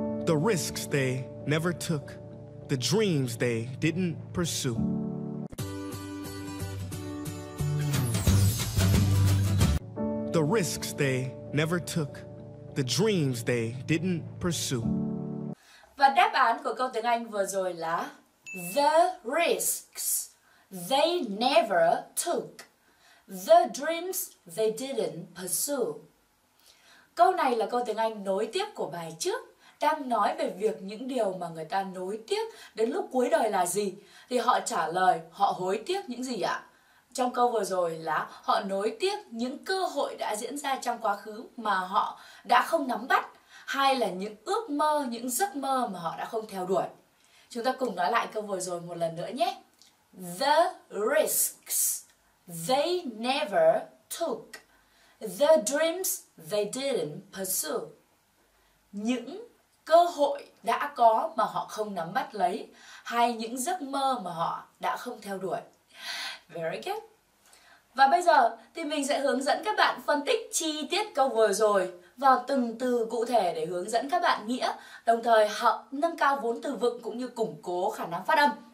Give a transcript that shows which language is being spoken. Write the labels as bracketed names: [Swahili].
[English] The risks they never took, the dreams they didn't pursue. The risks they never took, the dreams they didn't pursue. [Vietnamese] Và đáp án của câu tiếng Anh vừa rồi là [English] the risks they never took, the dreams they didn't pursue. [Vietnamese] Câu này là câu tiếng Anh nối tiếp của bài trước, đang nói về việc những điều mà người ta nối tiếc đến lúc cuối đời là gì. Thì họ trả lời, họ hối tiếc những gì ạ? Trong câu vừa rồi là họ nối tiếc những cơ hội đã diễn ra trong quá khứ mà họ đã không nắm bắt, hay là những ước mơ, những giấc mơ mà họ đã không theo đuổi. Chúng ta cùng nói lại câu vừa rồi một lần nữa nhé. [English] The risks they never took, the dreams they didn't pursue. [Vietnamese] Những cơ hội đã có mà họ không nắm bắt lấy, hay những giấc mơ mà họ đã không theo đuổi. [English] Very good. [Vietnamese] Và bây giờ thì mình sẽ hướng dẫn các bạn phân tích chi tiết câu vừa rồi vào từng từ cụ thể để hướng dẫn các bạn nghĩa, đồng thời họ nâng cao vốn từ vựng cũng như củng cố khả năng phát âm.